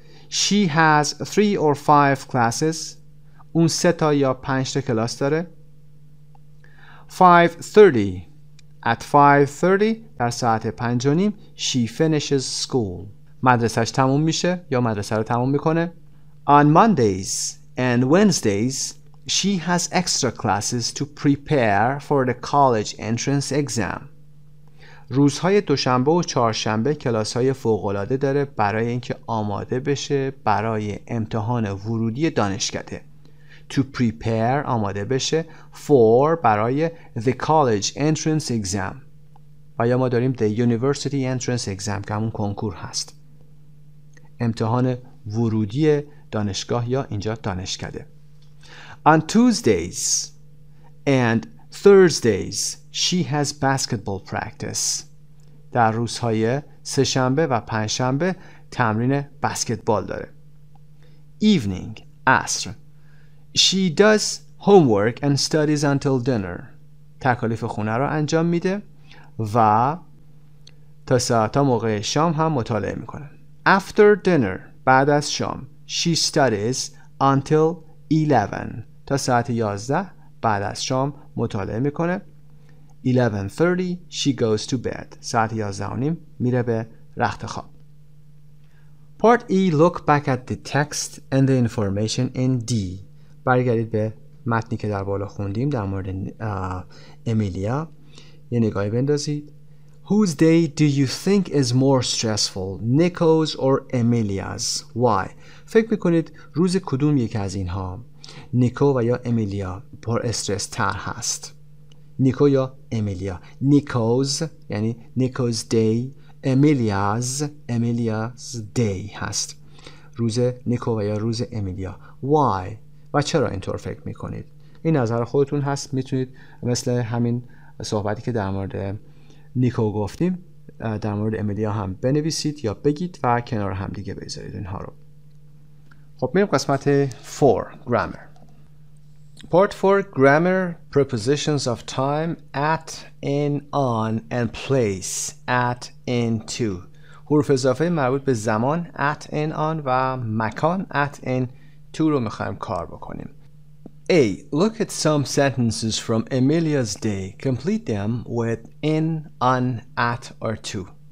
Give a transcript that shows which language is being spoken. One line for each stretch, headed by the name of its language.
English: She has 3 or 5 classes.
Persian: اون 3 تا یا 5 تا کلاس داره.
English: 5:30. At 5:30
Persian: در ساعت
English: 5:30 she finishes school.
Persian: مدرسه‌اش تموم میشه یا مدرسه رو تموم میکنه.
English: On Mondays and Wednesdays she has extra classes to prepare for the college entrance exam.
Persian: روزهای دوشنبه و چهارشنبه کلاس‌های فوق‌العاده داره برای اینکه آماده بشه برای امتحان ورودی دانشگاه.
English: To prepare
Persian: آماده بشه
English: for برای the college entrance exam.
Persian: و یا ما داریم
English: the university entrance exam
Persian: که همون کنکور هست. امتحان ورودی دانشگاه یا اینجا دانشکده.
English: On Tuesdays and Thursdays she has basketball practice.
Persian: در روزهای سه‌شنبه و پنج‌شنبه تمرین بسکتبال داره.
English: Evening,
Persian: عصر.
English: She does homework and studies until dinner.
Persian: تکالیف خونه رو انجام میده و تا ساعت موقع شام هم مطالعه میکنه.
English: After dinner,
Persian: بعد از شام,
English: she studies until 11.
Persian: تا ساعت 11 بعد از شام مطالعه میکنه.
English: 11:30 she goes to bed.
Persian: ساعت 11:30 میره به رخت خواب.
English: Part E, look back at the text and the information in D.
Persian: برگردید به متنی که در بالا خوندیم در مورد امیلیا یه نگاهی بندازید.
English: Whose day do you think is more stressful, Nico's or Emilia's? Why?
Persian: فکر میکنید روز کدوم یکی از اینها نیکو و یا امیلیا پر استرس تر هست؟ نیکو یا امیلیا؟ نیکوز یعنی نیکوز دی، امیلیاز دی هست. روز نیکو و یا روز امیلیا.
English: Why؟
Persian: و چرا اینطور فکر میکنید؟ این نظر خودتون هست. میتونید مثل همین صحبتی که در مورد نیکو گفتیم در مورد امیلیا هم بنویسید یا بگید و کنار هم دیگه بذارید اینها رو. خب میریم قسمت 4 Grammar.
English: Part 4 Grammar. Prepositions of time at, in, on and place at, in, to.
Persian: حروف اضافه مربوط به زمان at, in, on و مکان at, in, to رو میخوایم کار بکنیم.
English: A. Look at some sentences from Emilia's day. Complete them with in, on, at or to.